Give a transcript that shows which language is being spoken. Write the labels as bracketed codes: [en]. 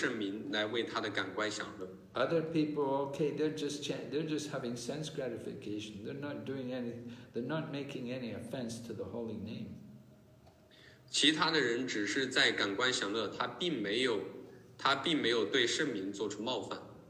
[zh] 因为前面你提到的这种人，他是在利用圣名来为他的感官享乐。 [en] Other people, okay, they're just having sense gratification. They're not doing anything. They're not making any offense to the holy name. [zh] 其他的人只是在感官享乐，他并没有对圣名做出冒犯。